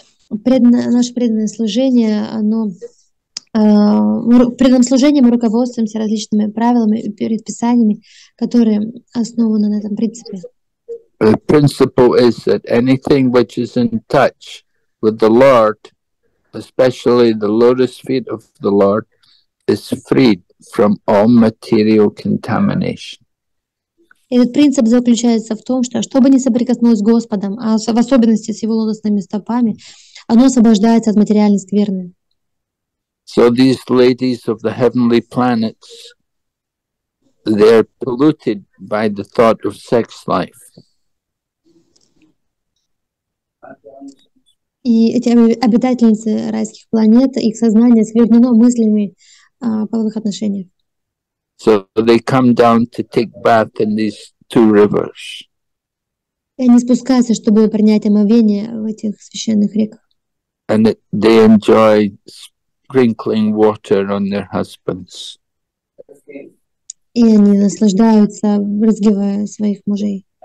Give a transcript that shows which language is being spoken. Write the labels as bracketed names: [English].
[Russian] Наше преданное служение, оно... При этом служении мы руководствуемся различными правилами и предписаниями, которые основаны на этом принципе. [English] The principle is that anything which is in touch with the Lord, especially the lotus feet of the Lord, is freed from all material contamination. [Russian] Этот принцип заключается в том, что чтобы не соприкоснулось с Господом, а в особенности с его лотосными стопами, оно освобождается от материальной скверны. [English] So these ladies of the heavenly planets, they are polluted by the thought of sex life. [Russian] И эти обитательницы райских планет, их сознание сквернено мыслями о половых отношениях. [English] So they come down to take bath in these two rivers. [Russian] И они спускаются, чтобы принять омовение в этих священных реках. [English] And they enjoy sprinkling water on their husbands. [Russian] И они наслаждаются, брызгивая своих мужей.